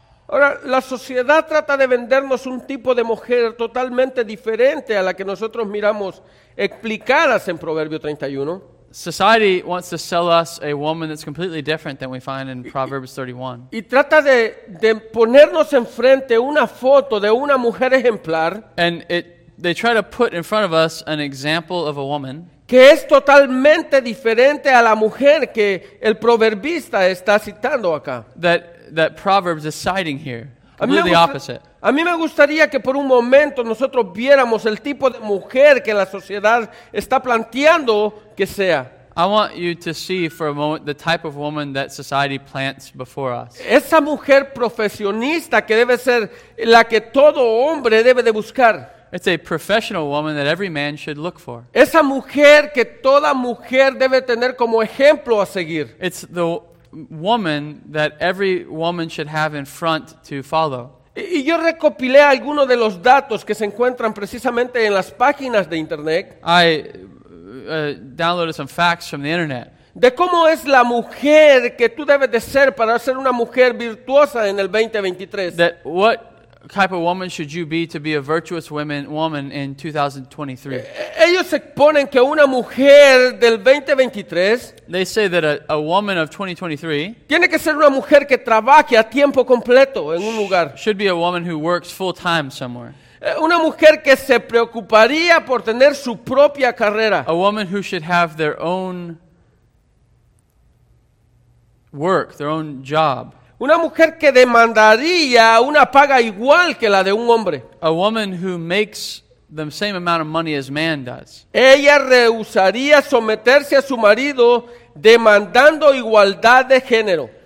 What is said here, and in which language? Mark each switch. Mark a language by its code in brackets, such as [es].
[es] Ahora, la sociedad trata de vendernos un tipo de mujer totalmente diferente a la que nosotros miramos explicadas en Proverbio 31. [en] Society wants to sell us a woman that's completely different than we find in Proverbs 31. [es] Y trata de ponernos enfrente una foto de una mujer ejemplar. [en] And they try to put in front of us an example of a woman. [es] Que es totalmente diferente a la mujer que el proverbista está citando acá. [en] That Proverbs is citing here. Completely opposite. [es] A mí me gustaría que por un momento nosotros viéramos el tipo de mujer que la sociedad está planteando que sea. [en] I want you to see for a moment the type of woman that society plants before us. [es] Esa mujer profesionista que debe ser la que todo hombre debe de buscar. [en] It's a professional woman that every man should look for. [es] Esa mujer que toda mujer debe tener como ejemplo a seguir. [en] It's the woman that every woman should have in front to follow. [es] Y yo recopilé algunos de los datos que se encuentran precisamente en las páginas de internet. [en] I downloaded some facts from the internet. [es] De cómo es la mujer que tú debes de ser para ser una mujer virtuosa en el 2023. [en] That what type of woman should you be to be a virtuous woman in 2023? [es] Ellos exponen que una mujer del 2023, [en] they say that a woman of 2023 [es] tiene que ser una mujer que trabaje a tiempo completo en un lugar. [en] Should be a woman who works full time somewhere. [es] Una mujer que se preocuparía por tener su propia carrera. [en] A woman who should have their own work, their own job. [es] Una mujer que demandaría una paga igual que la de un hombre. [en] A woman who makes the same amount of money as man does. [es] Ella rehusaría someterse a su marido demandando igualdad de género.